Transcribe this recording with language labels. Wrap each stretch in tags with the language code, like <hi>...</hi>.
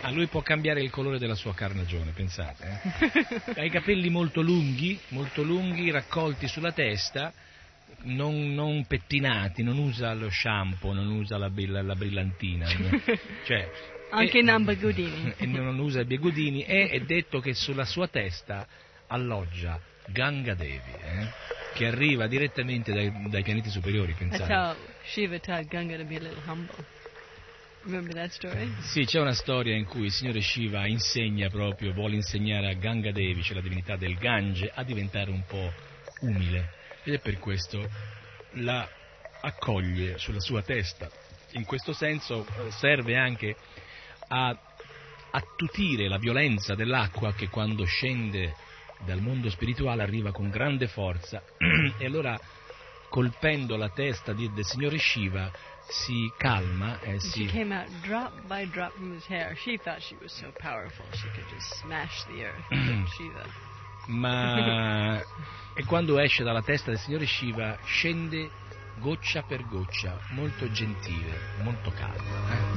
<it>Ah, lui può cambiare il colore della sua carnagione, pensate. Ha i capelli molto lunghi, raccolti sulla testa, non pettinati, non usa lo shampoo, non usa la brillantina. Cioè... anche Nambagudini. E non usa i bigudini. E è detto che sulla sua testa alloggia Ganga Devi, che arriva direttamente dai pianeti superiori, pensate.</it> <en>That's how Shiva told Ganga to be a little humble. Remember that story?</en> <it>Sì, c'è una storia in cui il signore Shiva insegna proprio, vuole insegnare a Ganga Devi, cioè la divinità del Gange, a diventare un po' umile. Ed è per questo la accoglie sulla sua testa. In questo senso serve anche a attutire la violenza dell'acqua, che quando scende dal mondo spirituale arriva con grande forza, e allora colpendo la testa del signore Shiva si calma e si...</it> <en>She came out drop by drop from his hair. She thought she was so powerful she could just smash the earth. Shiva.</en> <it>Ma e quando esce dalla testa del signore Shiva scende goccia per goccia, molto gentile, molto calma.</it>